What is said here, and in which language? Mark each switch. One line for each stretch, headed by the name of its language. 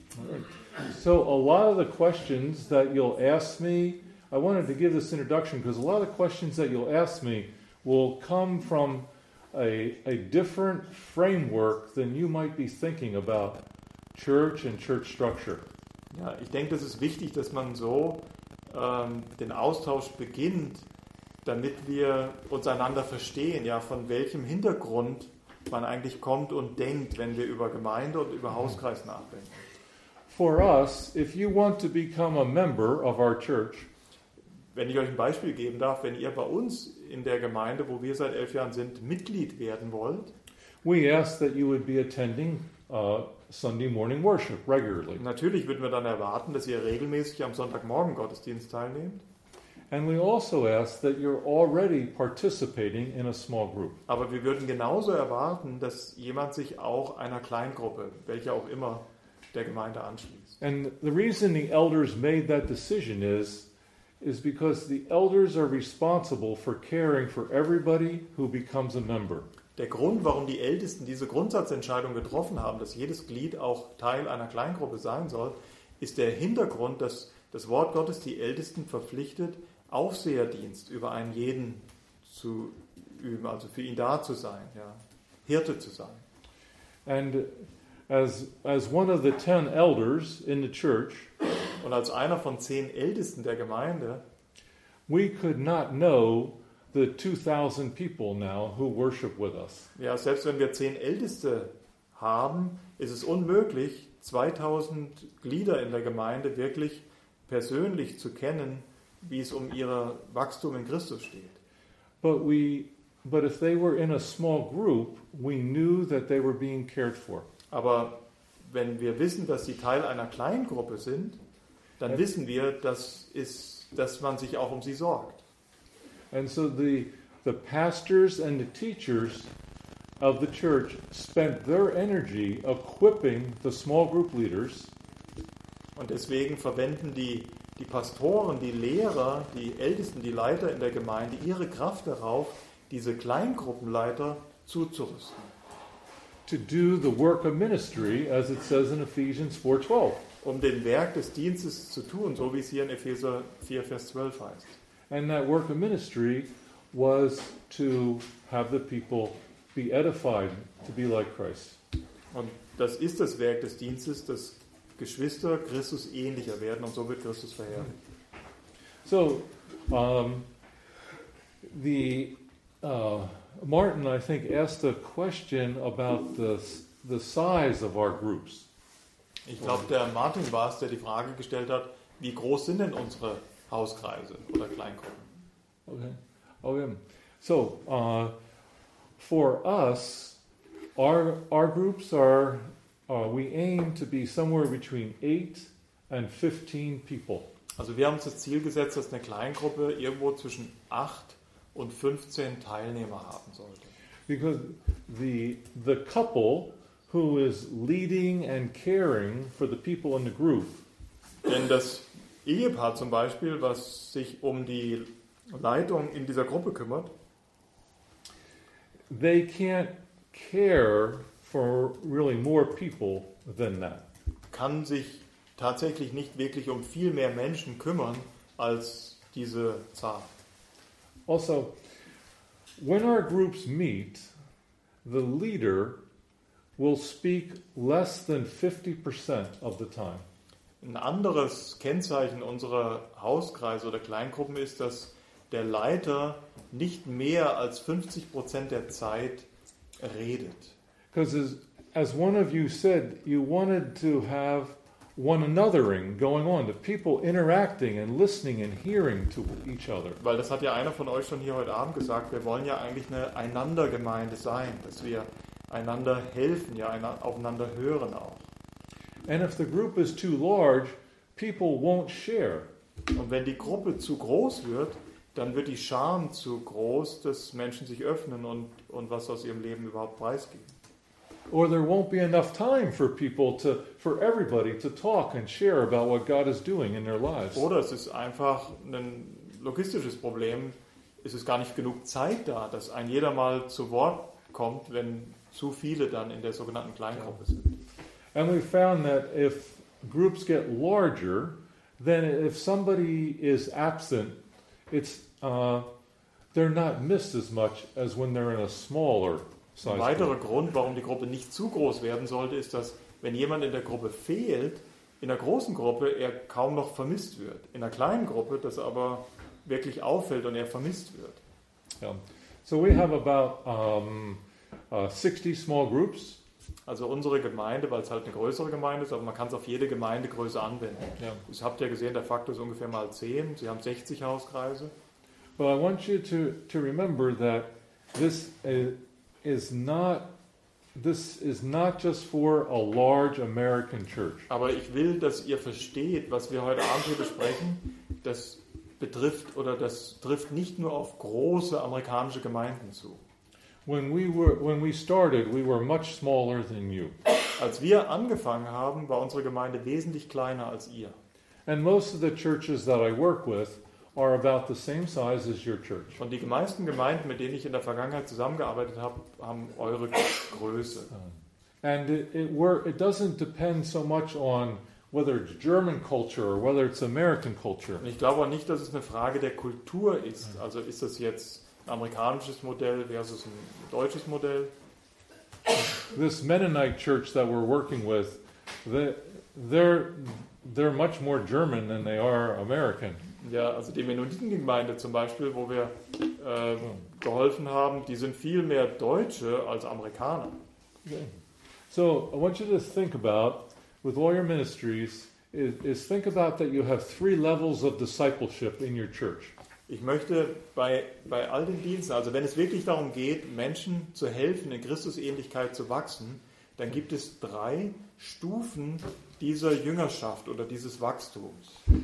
English: All right. So a lot of the questions that you'll ask me, I wanted to give this introduction because a lot of questions that you'll ask me will come from a different framework than you might be thinking about church and church structure.
German: Ja, ich denke, das ist wichtig, dass man so den Austausch beginnt, damit wir uns einander verstehen, ja, von welchem Hintergrund man eigentlich kommt und denkt, wenn wir über Gemeinde und über Hauskreis nachdenken.
English: For us, if you want to become a member of our church,
German: wenn ich euch ein Beispiel geben darf, wenn ihr bei uns in der Gemeinde, wo wir seit 11 Jahren sind, Mitglied werden wollt.
English: We ask that you would be attending Sunday morning worship regularly.
German: Natürlich würden wir dann erwarten, dass ihr regelmäßig am Sonntagmorgen Gottesdienst teilnehmt.
English: And we also ask that you're already participating in a small group.
German: Aber wir würden genauso erwarten, dass jemand sich auch einer Kleingruppe, welche auch immer, der Gemeinde anschließt.
English: And the reason the elders made that decision is because the elders are responsible for caring for everybody who becomes a member.
German: Der Grund, warum die Ältesten diese Grundsatzentscheidung getroffen haben, dass jedes Glied auch Teil einer Kleingruppe sein soll, ist der Hintergrund, dass das Wort Gottes die Ältesten verpflichtet, Aufseherdienst über einen jeden zu üben, also für ihn da zu sein, ja, Hirte zu sein.
English: And as one of the 10 elders in the church,
German: und als einer von 10 Ältesten der Gemeinde,
English: we could not know the 2000 people now who worship with us.
German: Ja, selbst wenn wir 10 Älteste haben, ist es unmöglich, 2000 Glieder in der Gemeinde wirklich persönlich zu kennen, wie es um ihr Wachstum in Christus steht.
English: But if they were in a small group, we knew that they were being cared for.
German: Aber wenn wir wissen, dass sie Teil einer Kleingruppe sind, dann wissen wir, dass man sich auch um sie sorgt.
English: And so the pastors and the teachers of the church spent their energy equipping the small group leaders.
German: Und deswegen verwenden die Pastoren, die Lehrer, die Ältesten, die Leiter in der Gemeinde ihre Kraft darauf, diese Kleingruppenleiter zuzurüsten.
English: To do the work of ministry, as it says in Ephesians 4:12.
German: Um den Werk des Dienstes zu tun, so wie es hier in Epheser 4, Vers 12 heißt.
English: And that work of ministry was to have the people be edified to be like Christ.
German: Und das ist das Werk des Dienstes, dass Geschwister Christus ähnlicher werden und so wird Christus verherrlicht.
English: So, Martin, I think, asked a question about the size of our groups.
German: Ich glaube, der Martin war es, der die Frage gestellt hat, wie groß sind denn unsere Hauskreise oder Kleingruppen?
English: Okay. So, for us, our groups are, we aim to be somewhere between 8 and 15 people.
German: Also wir haben uns das Ziel gesetzt, dass eine Kleingruppe irgendwo zwischen 8 und 15 Teilnehmer haben sollte.
English: Because the couple who is leading and caring for the people in the group.
German: Denn das Ehepaar zum Beispiel, was sich um die Leitung in dieser Gruppe kümmert,
English: they can't care for really more people than that.
German: Kann sich tatsächlich nicht wirklich um viel mehr Menschen kümmern als diese Zahl.
English: Also, when our groups meet, the leader will speak less than 50% of the time.
German: Ein anderes Kennzeichen unserer Hauskreise oder Kleingruppen ist, dass der Leiter nicht mehr als 50% der Zeit redet.
English: Because as one of you said, you wanted to have one anothering going on, the people interacting and listening and hearing to each other.
German: Weil das hat ja einer von euch schon hier heute Abend gesagt, wir wollen ja eigentlich eine Einandergemeinde sein, dass wir einander helfen, ja, aufeinander hören auch.
English: And if the group is too large, people won't share.
German: Und wenn die Gruppe zu groß wird, dann wird die Scham zu groß, dass Menschen sich öffnen und was aus ihrem Leben überhaupt preisgeben.
English: Or there won't be enough time for people to for everybody to talk and share about what God is doing in their lives.
German: Oder es ist einfach ein logistisches Problem, es ist gar nicht genug Zeit da, dass ein jeder mal zu Wort kommt, wenn zu viele dann in der sogenannten Kleingruppe sind.
English: And we found that if groups get larger, then if somebody is absent, it's they're not missed as much as when they're in a smaller size.
German: Ein weiterer Grund, warum die Gruppe nicht zu groß werden sollte, ist, dass wenn jemand in der Gruppe fehlt, in der großen Gruppe er kaum noch vermisst wird. In der kleinen Gruppe, das aber wirklich auffällt und er vermisst wird.
English: Yeah. So we have about 60 small groups.
German: Also unsere Gemeinde, weil es halt eine größere Gemeinde ist, aber man kann es auf jede Gemeindegröße anwenden.
English: Yeah.
German: Ihr habt ja gesehen, der Faktor ist ungefähr mal 10. Sie haben 60 Hauskreise.
English: But I want you to remember that this is not just for a large American church.
German: Aber ich will, dass ihr versteht, was wir heute Abend hier besprechen, das betrifft oder das trifft nicht nur auf große amerikanische Gemeinden zu.
English: When we started, we were much smaller than you.
German: Als wir angefangen haben, war unsere Gemeinde wesentlich kleiner als ihr.
English: And most of the churches that I work with are about the same size as your church.
German: Und die meisten Gemeinden, mit denen ich in der Vergangenheit zusammengearbeitet habe, haben eure Größe.
English: And it doesn't depend so much on whether it's German culture or whether it's American culture.
German: Und ich glaube auch nicht, dass es eine Frage der Kultur ist. Also ist das jetzt ein amerikanisches Modell versus ein deutsches Modell?
English: This Mennonite church that we're working with, they're much more German than they are American.
German: Ja, also die Mennonitengemeinde zum Beispiel, wo wir geholfen haben, die sind viel mehr Deutsche als Amerikaner.
English: Okay. So, I want you to think about, with all your ministries, is think about that you have three levels of discipleship in your church.
German: Ich möchte bei all den Diensten, also wenn es wirklich darum geht, Menschen zu helfen, in Christusähnlichkeit zu wachsen, dann gibt es drei Stufen dieser Jüngerschaft oder dieses Wachstums.